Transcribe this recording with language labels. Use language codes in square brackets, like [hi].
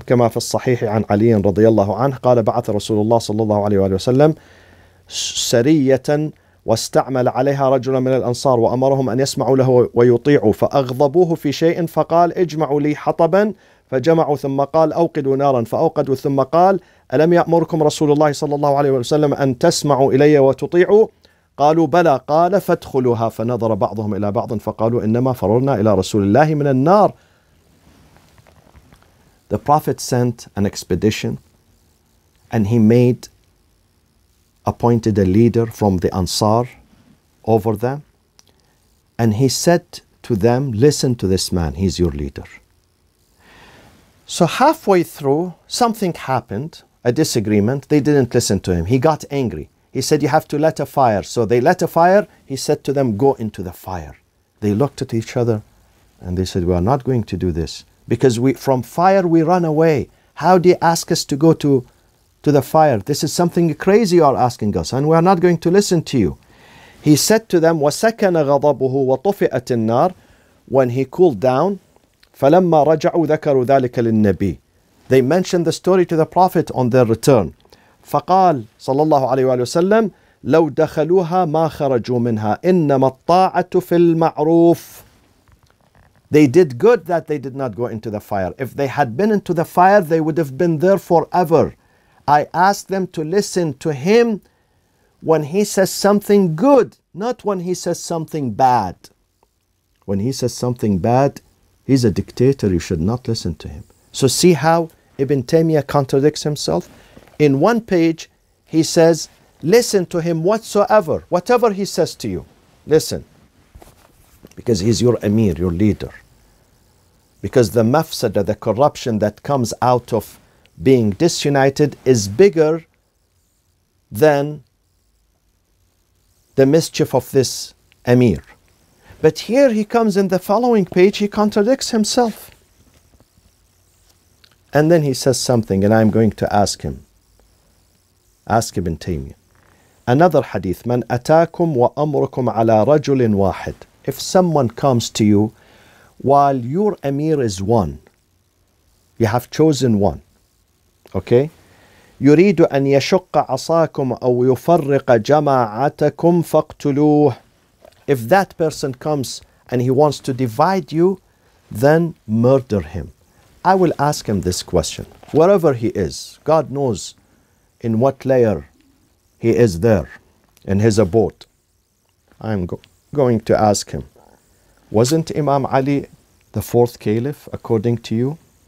[ar] كما في الصحيح عن علي رضي الله عنه قال بعث رسول الله صلى الله عليه وسلم سرية واستعمل عليها رجلا من الأنصار وأمرهم أن يسمعوا له ويطيعوا فأغضبوه في شيء فقال اجمعوا لي حطبا فجمعوا ثم قال أوقدوا نارا فأوقدوا ثم قال ألم يأمركم رسول الله صلى الله عليه وسلم أن تسمعوا إلي وتطيعوا قالوا بلى قال فادخلوها فنظر بعضهم إلى بعض فقالوا إنما فررنا إلى رسول الله من النار. [en] The Prophet sent an expedition and he appointed a leader from the Ansar over them and he said to them, listen to this man, he's your leader. So halfway through, something happened, a disagreement. They didn't listen to him. He got angry. He said, you have to let a fire. So they let a fire. He said to them, go into the fire. They looked at each other and they said, we are not going to do this because from fire we run away. How do you ask us to go to the fire? This is something crazy you are asking us and we are not going to listen to you. He said to them, [ar] وَسَكَنَ غَضَبُهُ وَطُفِئَتِ النَّارِ. [en] When he cooled down, [ar] فَلَمَّا رَجَعُوا ذَكَرُوا ذَلِكَ لِلنَّبِيِّ. [en] They mentioned the story to the Prophet on their return. [ar] فقال صلى الله عليه وسلم لو دخلوها ما خرجوا منها إنما الطاعة في المعروف. [en] They did good that they did not go into the fire. If they had been into the fire, they would have been there forever. I asked them to listen to him when he says something good, not when he says something bad. When he says something bad, he's a dictator. You should not listen to him. So see how Ibn Taymiyyah contradicts himself. In one page, he says, listen to him whatsoever, whatever he says to you, listen. Because he's your emir, your leader. Because the mafsada, the corruption that comes out of being disunited is bigger than the mischief of this emir. But here he comes in the following page, he contradicts himself. And then he says something, and I'm going to ask him. Ask Ibn Taymiyyah. Another hadith, [ar] من أتاكم وأمركم على رجل واحد. [en] If someone comes to you while your emir is one, you have chosen one, okay? [ar] يريد أن يشق عصاكم أو يفرق جماعتكم فاقتلوه. [en] If that person comes and he wants to divide you, then murder him. I will ask him this question. Wherever he is, God knows in what layer he is there, in his abode. I'm going to ask him, wasn't Imam Ali the fourth caliph according to you?